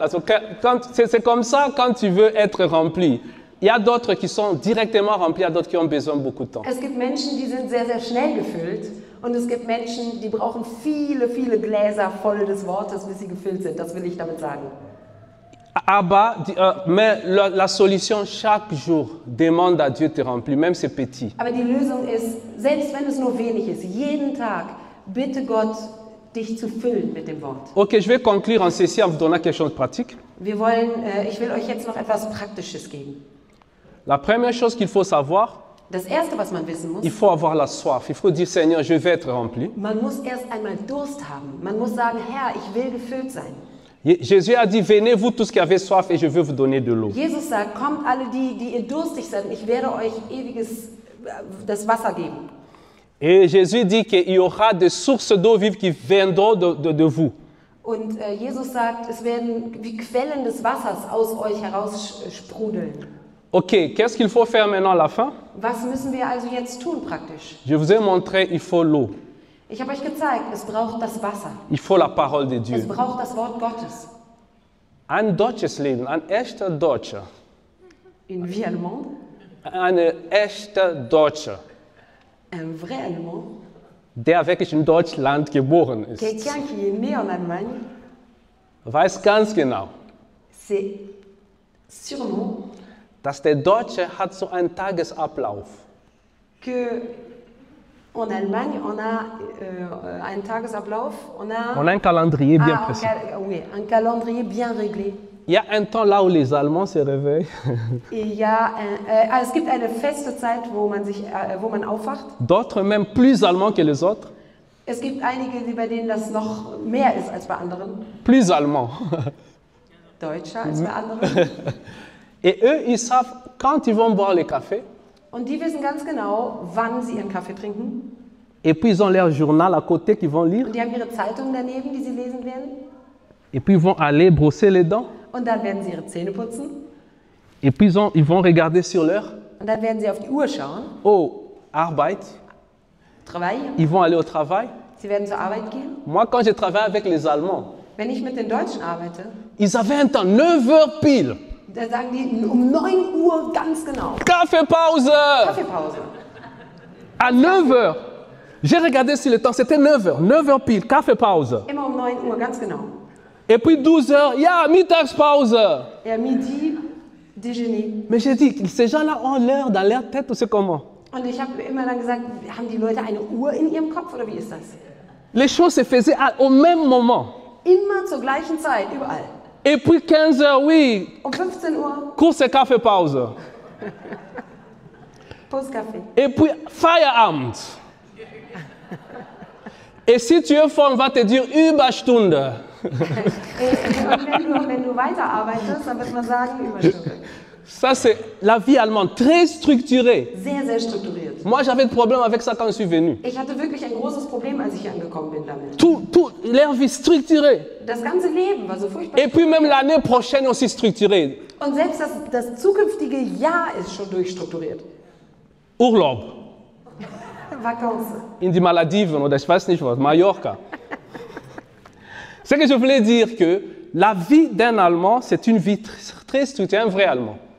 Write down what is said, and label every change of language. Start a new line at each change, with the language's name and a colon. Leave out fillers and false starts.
French: Also, c'est comme ça, quand tu veux être rempli. Il y a d'autres qui sont directement remplis, il y a d'autres qui ont besoin beaucoup de temps.
German: Es gibt Menschen, die sind sehr, sehr schnell gefüllt. Und es gibt Menschen, die brauchen viele, viele Gläser voll des Wortes, bis sie gefüllt sind. Das will ich damit sagen. Aber
French: mais la solution chaque jour demande à Dieu te remplir, même c'est petit.
German: Aber die Lösung ist, selbst wenn es nur wenig ist, jeden Tag bitte Gott, dich zu füllen mit dem Wort.
French: Okay, je vais conclure en ceci en vous donnant quelque chose de pratique.
German: Wir wollen, ich will euch jetzt noch etwas Praktisches geben.
French: La première chose qu'il faut savoir,
German: das erste, was man wissen muss,
French: il faut avoir la soif. Il faut dire, Seigneur, je vais être rempli.
German: Man muss erst einmal Durst haben. Man muss sagen, Herr, ich will gefüllt sein.
French: Jésus a dit, venez vous tous qui avez soif et je vais vous donner de l'eau.
German: Jesus sagt, kommt alle die, die ihr durstig seid, ich werde euch ewiges das Wasser geben.
French: Et Jésus dit qu'il y aura des sources d'eau vive qui viendront de vous.
German: Und Jesus sagt, es werden wie Quellen des Wassers aus euch heraus sprudeln.
French: Ok, qu'est-ce qu'il faut faire maintenant à la fin?
German: Was müssen wir also jetzt tun praktisch?
French: Je vous ai montré, il faut l'eau.
German: Ich habe euch gezeigt, es braucht das Wasser.
French: Il faut la parole de Dieu.
German: Es braucht das Wort Gottes. Ein deutsches Leben, ein echter Deutscher. In wie allemand? Ein echter Deutscher.
French: Un vrai allemand?
German: Der wirklich in Deutschland geboren ist.
French: Quelqu'un qui est né en Allemagne?
German: Weiß ganz genau.
French: C'est sûrement.
German: Dass der Deutsche hat so einen Tagesablauf.
French: Que en Allemagne, on a un Tagesablauf, on a un calendrier bien précis. Un calendrier bien réglé. Il y a un temps là où les Allemands se réveillent.
German: Es gibt eine feste Zeit, wo man aufwacht.
French: D'autres même plus allemands que les autres.
German: Es gibt einige, bei denen das noch mehr ist als bei anderen.
French: Plus allemands.
German: Deutscher als bei anderen.
French: Et eux, ils savent quand ils vont boire le café.
German: Und die wissen ganz genau, wann sie ihren Kaffee trinken.
French: Et puis ils ont leur journal à côté qu'ils vont lire.
German: Und die haben ihre Zeitung daneben, die sie lesen werden.
French: Et puis ils vont aller brosser les dents.
German: Und dann werden sie ihre Zähne putzen.
French: Et puis ils vont regarder sur l'heure.
German: Und dann werden sie auf die Uhr schauen. Oh, Arbeit.
French: Travail. Ils vont aller au travail.
German: Sie werden zur Arbeit gehen.
French: Moi, quand je travaille avec les Allemands.
German: Wenn ich mit den Deutschen arbeite.
French: Ils avaient un temps 9 heures pile.
German: Da sagen die, 9 Uhr ganz genau. Kaffeepause! Kaffeepause.
French: À 9 Uhr. J'ai regardé sur le temps, c'était 9 Uhr.
German: 9 Uhr pile, Kaffeepause. Immer 9 Uhr, ganz genau.
French: Et puis
German: 12 Uhr, ja, Mittagspause.
French: Et à midi, déjeuner. Mais j'ai dit, ces gens-là ont l'heure dans leur tête, ou c'est comment?
German: Und ich habe immer dann gesagt, haben die Leute eine Uhr in ihrem Kopf, oder wie ist das?
French: Les choses se faisaient au même moment.
German: Immer zur gleichen Zeit, überall.
French: Et puis 15 heures, oui.
German: Um 15 Uhr.
French: Course café pause. Pause café. Et puis Feierabend. Et si tu es fort, on va te dire Überstunde.
German: Wenn du weiterarbeitest, dann wird man sagen Überstunde.
French: Ça c'est la vie allemande, très structurée.
German: Sehr, sehr strukturiert.
French: Moi j'avais de problème avec ça quand je suis venu.
German: Ich hatte wirklich ein großes Problem, als ich angekommen bin damit.
French: Tout leur vie structurée.
German: Das ganze Leben war so furchtbar.
French: Et puis même l'année prochaine aussi structurée.
German: Und selbst das zukünftige Jahr ist schon durchstrukturiert. Urlaub.
French: Vacances.
German: In die Malediven oder ich weiß nicht was, Mallorca.
French: Ce que je voulais dire que la vie d'un Allemand, c'est une vie très structurée, un vrai Allemand.